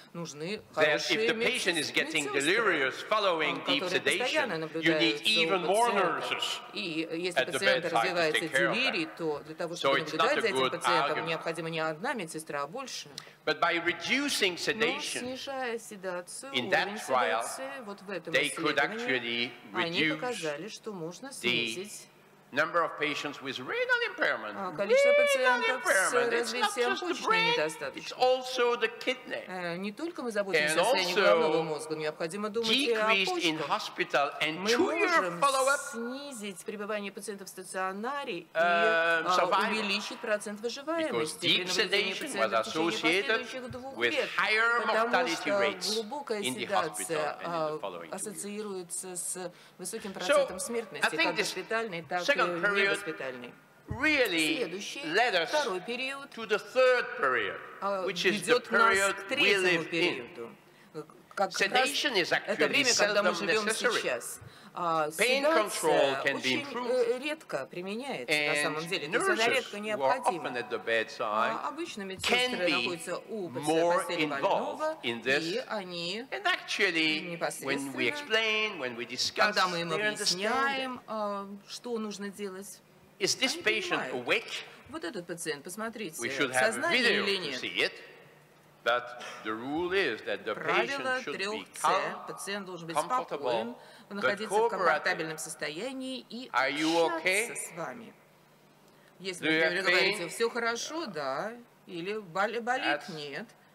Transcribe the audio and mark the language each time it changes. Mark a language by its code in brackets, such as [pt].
[en] That if the patient is getting delirious following deep sedation, you need even more nurses at the bedside to take care of him. So it's not a good argument. But by reducing sedation in that trial, they could actually reduce. [ru] Сказали, что можно снизить количество пациентов с развитием почечной недостаточности. Не только мы заботимся о состоянии головного мозга, необходимо думать и о почках. Мы можем снизить пребывание пациентов в стационаре и увеличить процент выживаемости при наблюдении пациентов в течение последующих 2 лет, потому что глубокая седация ассоциируется с высоким процентом смертности, как госпитальной, так и негоспитальной. [en] Really led us to the third period, which is the period we live in. Sedation is actually seldom necessary. Pain control can be improved. And nurses, often at the bedside, can be more involved in this. And actually, when we explain, when we discuss, they understand. Is this patient awake? [ru] Вот этот пациент, посмотрите, [en] we should have a video to see it. But the rule is that the patient should be calm, comfortable, [ru] находиться в комфортабельном состоянии и общаться с вами. Если вы говорите, все хорошо, да, или болит, нет.